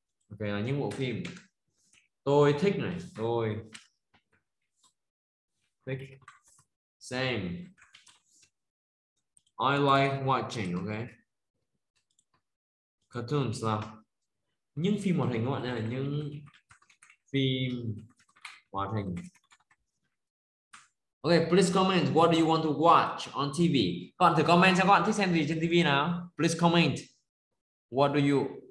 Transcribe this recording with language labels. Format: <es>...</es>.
<vi>Ok, là những bộ phim. Tôi thích này. Tôi thích xem.</vi> <en>I like watching, ok.</en> <vi>Cartoons là những phim hoạt hình các bạn nhé, những phim hoạt hình.</vi> <en>Ok, please comment what do you want to watch on TV.</en> <vi>Các bạn thử comment cho các bạn thích xem gì trên TV nào.</vi> <en>Please comment what do you</en>